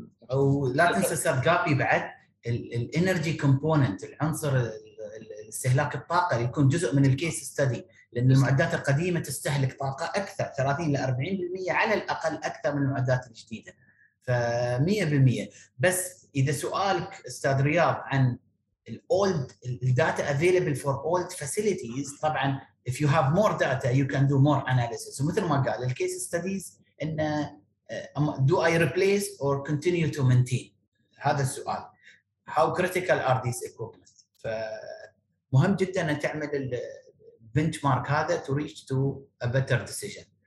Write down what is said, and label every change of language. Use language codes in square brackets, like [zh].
[ar] او لا تنسى سرقابي بعد [en] الانرجي كومبوننت [ar] العنصر الاستهلاك الطاقه يكون جزء من الكيس ستدي لان المعدات القديمه تستهلك طاقه اكثر 30-40% على الاقل اكثر من المعدات الجديده ف 100% بس اذا سؤالك استاذ رياض عن [en] الاولد الداتا available for old facilities [ar] طبعا [en] If you have more data, you can do more analysis. So, [ar] مثل ما قال, [en] the case studies, in, do I replace or continue to maintain? [ar] هذا السؤال. [en] How critical are these equipment? [ar] مهم جدا أن تعمل [en] البنشمارك [ar] هذا [en] to reach to a better decision.